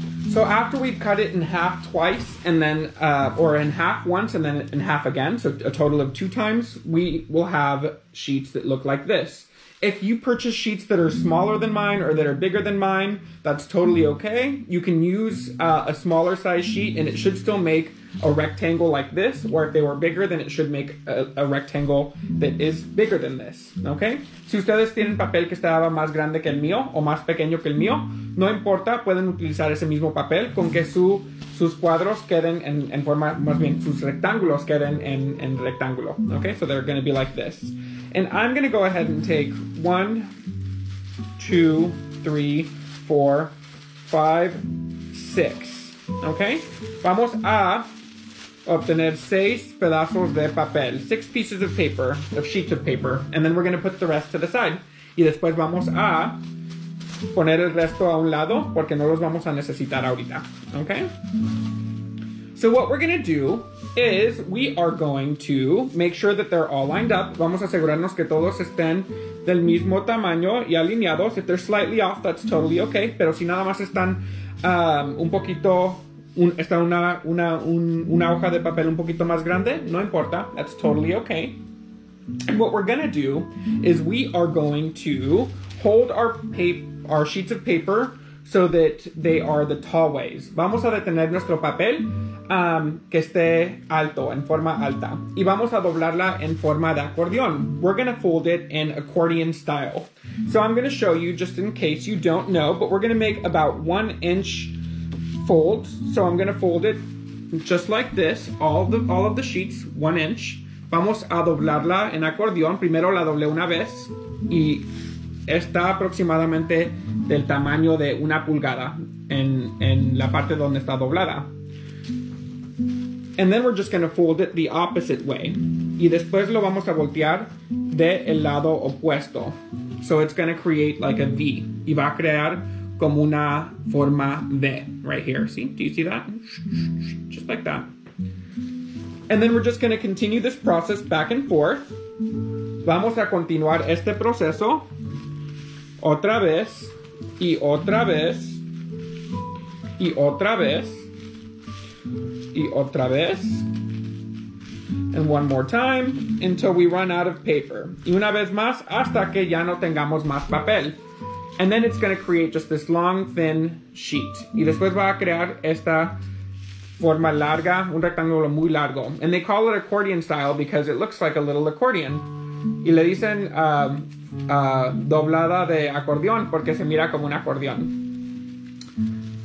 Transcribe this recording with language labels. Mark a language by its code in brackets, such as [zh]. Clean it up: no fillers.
[en] So after we've cut it in half twice, and then, or in half once, and then in half again, so a total of two times, we will have sheets that look like this. If you purchase sheets that are smaller than mine or that are bigger than mine, that's totally okay. You can use a smaller size sheet and it should still make a rectangle like this, or if they were bigger, then it should make a rectangle that is bigger than this, okay? [es] Si ustedes tienen papel que estaba más grande que el mío o más pequeño que el mío, no importa, pueden utilizar ese mismo papel con que sus cuadros queden en forma, más bien sus rectángulos queden en rectángulo, okay? [en] So they're gonna be like this. And I'm gonna go ahead and take 1, 2, 3, 4, 5, 6, okay? [es] Vamos a obtener 6 pedazos de papel, [en] 6 pieces of paper, of sheets of paper, and then we're gonna put the rest to the side. [es] Y después vamos a poner el resto a un lado porque no los vamos a necesitar ahorita, okay? [en] So what we're gonna do is we are going to make sure that they're all lined up. [es] Vamos a asegurarnos que todos estén del mismo tamaño y alineados. [en] If they're slightly off, that's totally okay. [es] Pero si nada más están un poquito, una hoja de papel un poquito más grande, no importa. [en] That's totally okay. And what we're gonna do is we are going to hold our sheets of paper so that they are the tall ways. [es] Vamos a detener nuestro papel que esté alto, en forma alta. Y vamos a doblarla en forma de acordeón. [en] We're gonna fold it in accordion style. So I'm gonna show you, just in case you don't know, but we're gonna make about 1-inch folds. So I'm gonna fold it just like this, all of the sheets, 1 inch. [es] Vamos a doblarla en acordeón. Primero la doblé una vez y está aproximadamente del tamaño de una pulgada en la parte donde está doblada. [en] And then we're just gonna fold it the opposite way. [es] Y después lo vamos a voltear de el lado opuesto. [en] So it's gonna create like a V. [es] Y va a crear como una forma V [en] right here. See, do you see that? Just like that. And then we're just gonna continue this process back and forth. [es] Vamos a continuar este proceso otra vez, y otra vez, y otra vez, y otra vez, [en] and one more time, until we run out of paper. [es] Y una vez más, hasta que ya no tengamos más papel. [en] And then it's going to create just this long, thin sheet. [es] Y después va a crear esta forma larga, un rectángulo muy largo. [en] And they call it accordion style because it looks like a little accordion. [es] Y le dicen doblada de acordeón porque se mira como un acordeón.